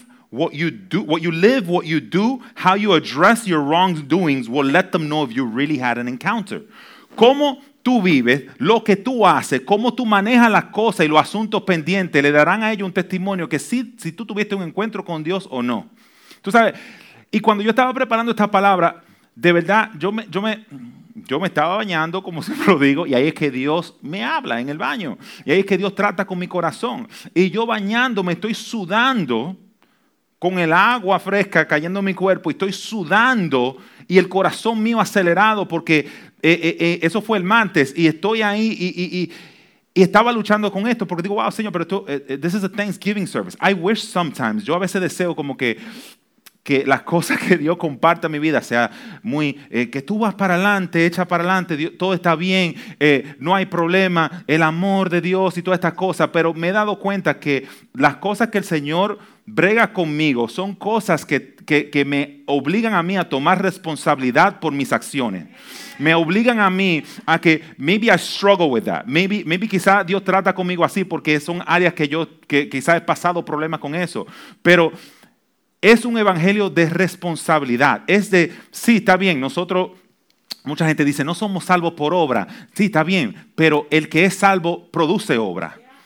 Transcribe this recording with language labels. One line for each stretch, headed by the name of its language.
English: But what your life, what you live, what you do, how you address your wrongdoings will let them know if you really had an encounter.
Spanish: ¿Cómo tú vives, lo que tú haces, cómo tú manejas las cosas y los asuntos pendientes, le darán a ellos un testimonio que sí, si tú tuviste un encuentro con Dios o no? Tú sabes, y cuando yo estaba preparando esta palabra, de verdad, yo me estaba bañando, como siempre lo digo, y ahí es que Dios me habla en el baño. Y ahí es que Dios trata con mi corazón. Y yo bañándome, estoy sudando con el agua fresca cayendo en mi cuerpo, y estoy sudando y el corazón mío acelerado porque eso fue el martes y estoy ahí y estaba luchando con esto porque digo, wow, Señor, pero esto,
English: this is a Thanksgiving service. I wish sometimes,
Spanish: yo a veces deseo como que las cosas que Dios comparta en mi vida sea muy, que tú vas para adelante, echa para adelante, Dios, todo está bien, no hay problema, el amor de Dios y todas estas cosas, pero me he dado cuenta que las cosas que el Señor brega conmigo son cosas que me obligan a mí a tomar responsabilidad por mis acciones. Me obligan a mí a que
English: maybe I struggle with that. Maybe
Spanish: quizás Dios trata conmigo así porque son áreas que yo que quizás he pasado problemas con eso. Pero es un evangelio de responsabilidad. Es de, sí, está bien, nosotros, mucha gente dice, no somos salvos por obra. Sí, está bien, pero el que es salvo produce obra.